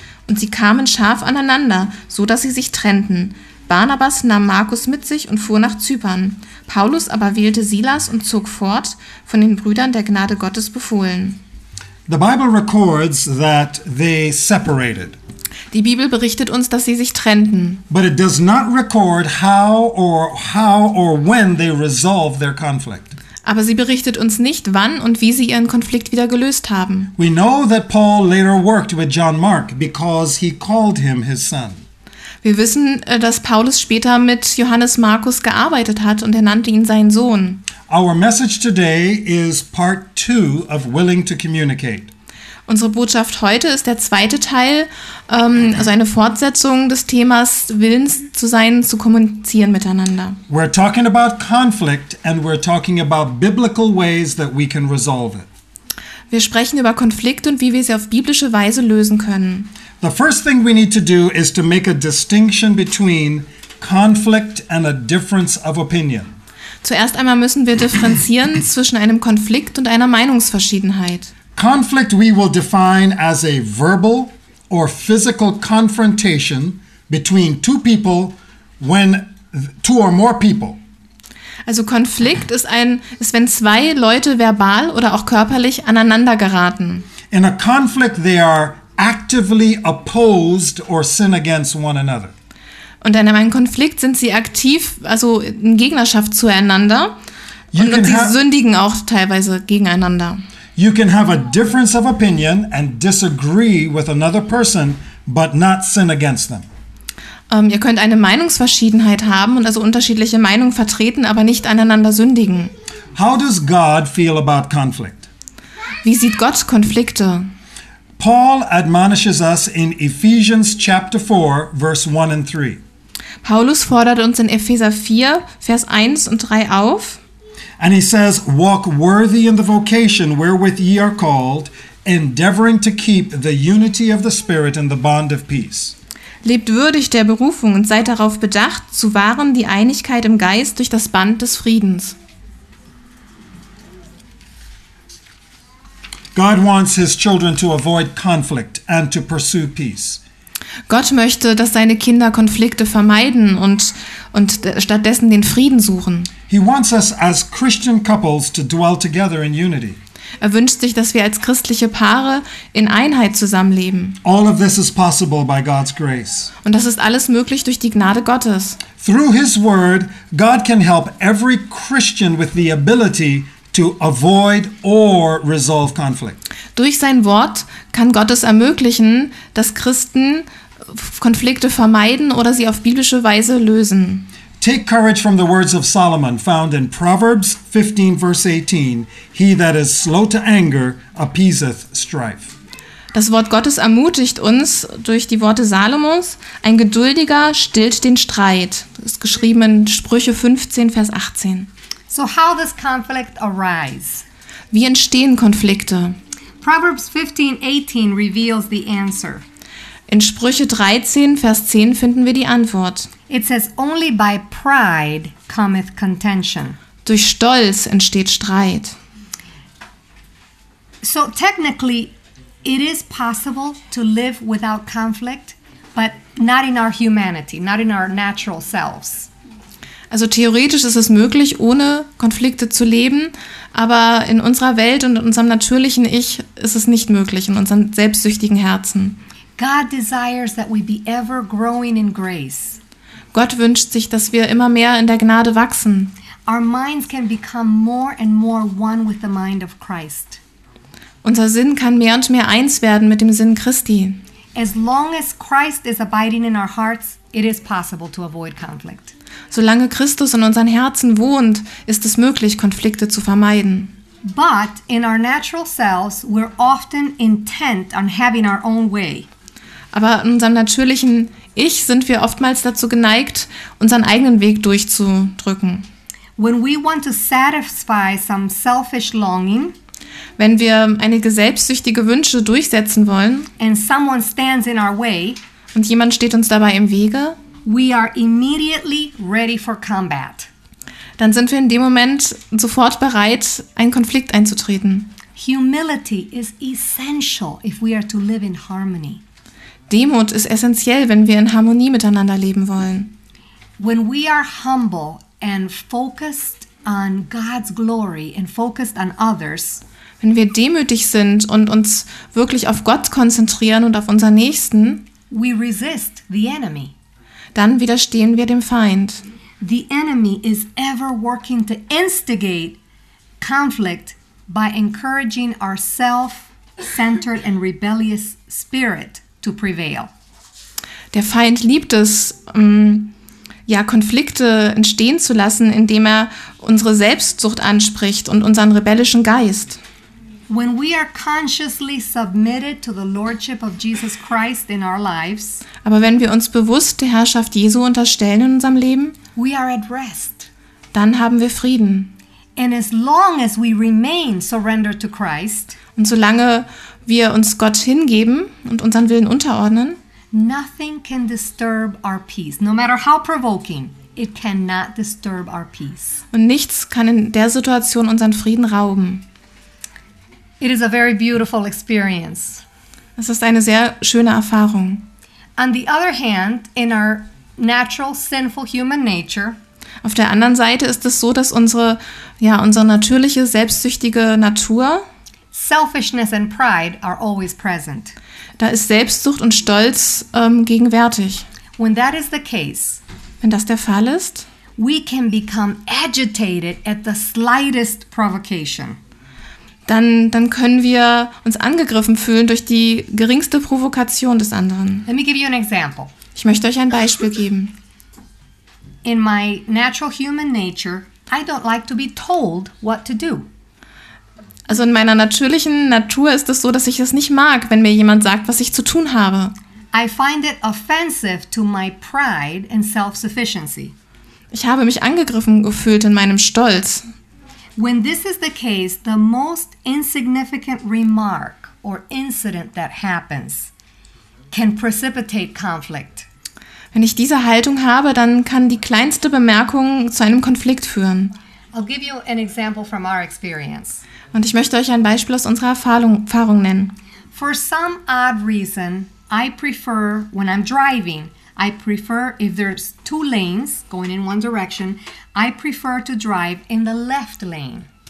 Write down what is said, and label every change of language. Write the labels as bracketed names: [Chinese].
[German] Und sie kamen scharf aneinander, so dass sie sich trennten. Barnabas nahm Markus mit sich und fuhr nach Zypern. Paulus aber wählte Silas und zog fort, von den Brüdern der Gnade Gottes befohlen. [English] The Bible records that they separated. [German] Die Bibel berichtet uns, dass sie sich trennten. [English] But it does not record how or when they resolved their conflict. [German] Aber sie berichtet uns nicht, wann und wie sie ihren Konflikt wieder gelöst haben. [English] We know that Paul later worked with John Mark because he called him his son. [German] Wir wissen, dass Paulus später mit Johannes Markus gearbeitet hat und er nannte ihn seinen Sohn. [English] Our message today is part 2 of Willing to Communicate. [German] Unsere Botschaft heute ist der zweite Teil, also eine Fortsetzung des Themas Willens zu sein, zu kommunizieren miteinander. [English] We're talking about conflict and we're talking about biblical ways that we can resolve it. [German] Wir sprechen über Konflikt und wie wir sie auf biblische Weise lösen können. [English] The first thing we need to do is to make a distinction between conflict and a difference of opinion. [German] Zuerst einmal müssen wir differenzieren zwischen einem Konflikt und einer Meinungsverschiedenheit. [English] Conflict we will define as a verbal or physical confrontation between two people when two or more people. [German] Also Konflikt ist wenn zwei Leute verbal oder auch körperlich aneinander geraten. [English] In a conflict they are actively opposed or sin against one another. [German] Und in einem Konflikt sind sie aktiv, also in Gegnerschaft zueinander und sie sündigen auch teilweise gegeneinander. [English] You can have a difference of opinion and disagree with another person, but not sin against them. [German] Ihr könnt eine Meinungsverschiedenheit haben und also unterschiedliche Meinungen vertreten, aber nicht aneinander sündigen. [English] How does God feel about conflict? [German] Wie sieht Gott Konflikte? [English] Paul admonishes us in Ephesians chapter 4, verse 1 and 3. [German] Paulus fordert uns in Epheser 4, Vers 1 und 3 auf. [English] And he says, walk worthy in the vocation wherewith ye are called, endeavoring to keep the unity of the Spirit in the bond of peace. [German] Lebt würdig der Berufung und seid darauf bedacht, zu wahren die Einigkeit im Geist durch das Band des Friedens. [English] God wants his children to avoid conflict and to pursue peace. [German] Gott möchte, dass seine Kinder Konflikte vermeiden und stattdessen den Frieden suchen. [English] He wants us as Christian couples to dwell together in unity. [German] Er wünscht sich, dass wir als christliche Paare in Einheit zusammenleben. [English] All of this is possible by God's grace. [German] Und das ist alles möglich durch die Gnade Gottes. [English] Through his word, God can help every Christian with the ability to avoid or resolve conflict. [German] Durch sein Wort kann Gott es ermöglichen, dass Christen Konflikte vermeiden oder sie auf biblische Weise lösen. [English] Take courage from the words of Solomon found in Proverbs 15 verse 18. He that is slow to anger appeaseth strife. [German] Das Wort Gottes ermutigt uns durch die Worte Salomos. Ein Geduldiger stillt den Streit. Das ist geschrieben in Sprüche 15 vers 18. [English] So how does conflict arise? [German] Wie entstehen Konflikte? [English] Proverbs 15:18 reveals the answer. [German] In Sprüche 13 vers 10 finden wir die Antwort. [English] It says only by pride cometh contention. [German] Durch Stolz entsteht Streit. [English] So technically it is possible to live without conflict, but not in our humanity, not in our natural selves. [German] Also theoretisch ist es möglich, ohne Konflikte zu leben, aber in unserer Welt und in unserem natürlichen Ich ist es nicht möglich, in unseren selbstsüchtigen Herzen. [English] God desires that we be ever growing in grace. [German] Gott wünscht sich, dass wir immer mehr in der Gnade wachsen. [English] Our minds can become more and more one with the mind of Christ. [German] Unser Sinn kann mehr und mehr eins werden mit dem Sinn Christi. [English] As long as Christ is abiding in our hearts, it is possible to avoid conflict. [German] Solange Christus in unseren Herzen wohnt, ist es möglich, Konflikte zu vermeiden. [English] But in our natural selves, we're often intent on having our own way. [German] Aber in unserem natürlichen Ich sind wir oftmals dazu geneigt, unseren eigenen Weg durchzudrücken. [English] When we want to satisfy some selfish longing, [German] wenn wir einige selbstsüchtige Wünsche durchsetzen wollen, [English] and someone stands in our way, [German] und jemand steht uns dabei im Wege, [English] we are immediately ready for combat. [German] Dann sind wir in dem Moment sofort bereit, einen Konflikt einzutreten. [English] Humility is essential if we are to live in harmony. [German] Demut ist essentiell, wenn wir in Harmonie miteinander leben wollen. [English] When we are humble and focused on God's glory and focused on others, [German] wenn wir demütig sind und uns wirklich auf Gott konzentrieren und auf unseren Nächsten, [English] we resist the enemy. [German] Dann widerstehen wir dem Feind. [English] The enemy is ever working to instigate conflict by encouraging our self-centered and rebellious spirit to prevail. [German] Der Feind liebt es, Konflikte entstehen zu lassen, indem er unsere Selbstsucht anspricht und unseren rebellischen Geist. [English] When we are consciously submitted to the lordship of Jesus Christ in our lives, [German] aber wenn wir uns bewusst der Herrschaft Jesu unterstellen in unserem Leben, [English] we are at rest. [German] Dann haben wir Frieden. [English] And as long as we remain surrendered to Christ, [German] und solange wir uns Gott hingeben und unseren Willen unterordnen, [English] nothing can disturb our peace, no matter how provoking. It cannot disturb our peace. [German] Und nichts kann in der Situation unseren Frieden rauben. [English] It is a very beautiful experience. [German] Es ist eine sehr schöne Erfahrung. [English] On the other hand, in our natural sinful human nature, [German] auf der anderen Seite ist es so, dass unsere natürliche selbstsüchtige Natur, [English] selfishness and pride are always present. [German] Da ist Selbstsucht und Stolz gegenwärtig. [English] When that is the case, [German] wenn das der Fall ist, [English] we can become agitated at the slightest provocation. [German] Dann können wir uns angegriffen fühlen durch die geringste Provokation des anderen. [English] Let me give you an example. [German] Ich möchte euch ein Beispiel geben. [English] In my natural human nature, I don't like to be told what to do. [German] Also in meiner natürlichen Natur ist es so, dass ich es nicht mag, wenn mir jemand sagt, was ich zu tun habe. [English] I find it offensive to my pride and self-sufficiency. [German] Ich habe mich angegriffen gefühlt in meinem Stolz. [English] When this is the case, the most insignificant remark or incident that happens can precipitate conflict. [German] Wenn ich diese Haltung habe, dann kann die kleinste Bemerkung zu einem Konflikt führen. [English] I'll give you an example from our experience. [German] Und ich möchte euch ein Beispiel aus unserer Erfahrung nennen. [English] For some odd reason, I prefer when I'm driving, I prefer if there's two lanes going in one direction, I prefer to drive in the left lane.